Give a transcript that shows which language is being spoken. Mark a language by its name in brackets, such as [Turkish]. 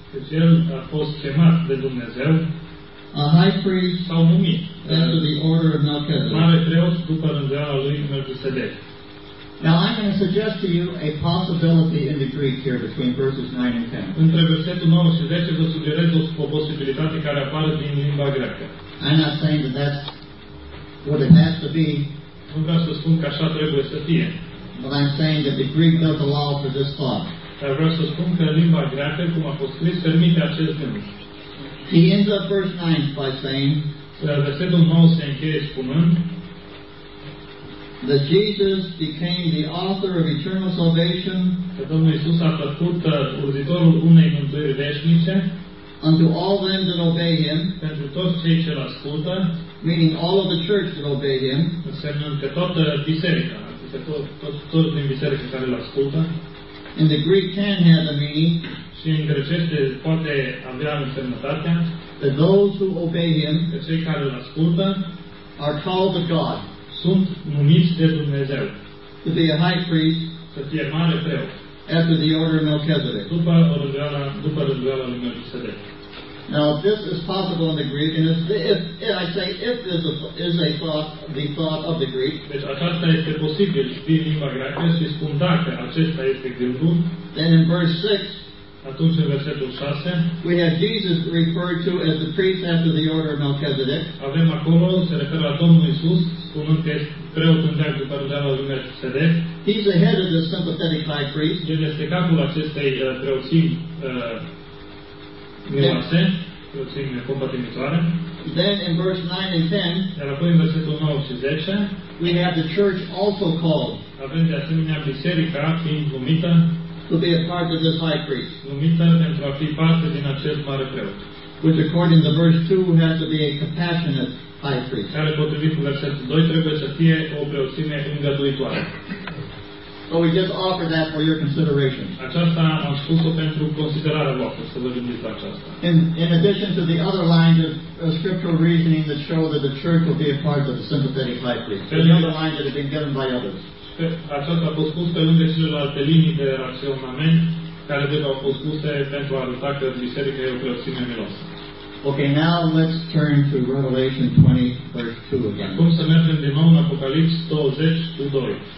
[Romanian] a fost chemat de Dumnezeu, [English] a high priest, [Romanian] sau numit, [English] after the order of Melchizedek. [Romanian] Mare preot, după rânduiala lui Melchizedek. [English] Now I'm going to suggest to you a possibility in the Greek here between verses 9 and 10. [Romanian] Între versetul 9 și 10 vă sugerez o posibilitate care apare din limba greacă. [English] I'm not saying that that's what it has to be. [Romanian] Nu vreau să spun că așa trebuie să fie. [English] But I'm saying that the Greek does allow for this thought. [Romanian] Dar vreau să spun că limba greacă, cum a fost scris, permite acest gând. [English] He ends up verse 9 by saying, [Romanian] versetul 9 se încheie spunând, [English] that Jesus became the author of eternal salvation, [Romanian] că Domnul Iisus a făcut uzitorul unei mântuiri veșnice, [English] unto all them that obey him, [Romanian] pentru toți cei ce-l ascultă, [English] meaning all of the church that obey him, [Romanian] însemnând că toată biserica, că tot din biserica care-l ascultă, [English] and the Greek can have the meaning, [Romanian] și în grecește poate avea însemnătatea, [English] that those who obey him, [Romanian] că cei care-l ascultă, [English] are called of God, [Romanian] sunt numiți de Dumnezeu, [English] to be a high priest, [Romanian] să fie mare preot, [English] after the order of Melchizedek. [Romanian] După rânduiala lui Melchizedek. [English] Now, if this is possible in the Greek, and if this is the thought of the Greek, [Romanian] deci aceasta este posibil din limba greacă, și spun dacă acesta este gândul, [English] then in verse 6, [Romanian] atunci în versetul 6, [English] we have Jesus referred to as the priest after the order of Melchizedek. [Romanian] Avem acolo, se referă la Domnul Iisus, spunând că este preot întreg după rânduiala lui Melchizedek. [English] He's the head of the sympathetic high priest. [Romanian] El este capul acestei preoții miloase, preoții necompatimitoare. [English] Then in verse 9 and 10, [Romanian] iar apoi în versetul 9 și 10, [English] we have the church also called. [Romanian] Avem de asemenea biserica fiind numită, [English] to be a part of this high priest. [Romanian] Numită pentru a fi parte din acest mare preot. [English] Which according to verse 2 has to be a compassionate high priest. [Romanian] Care potrivit cu versetul 2 trebuie să fie o preoțime îngăduitoare. [English] But we just offer that for your consideration. [Romanian] Aceasta am spus-o pentru considerarea voastră, să vă gândiți la aceasta. [English] In addition to the other lines of scriptural reasoning that show that the church will be a part of the sympathetic high priest. The other lines that have been given by others. [Romanian] Aceasta a fost spus pe lângă celelalte linii de raționament care deja au fost spuse pentru a arăta că biserica e o preoție milosă. [English] Okay, now let's turn to Revelation 20, verse 2 again. [Romanian] Acum să mergem din nou în Apocalipsa 20, 2.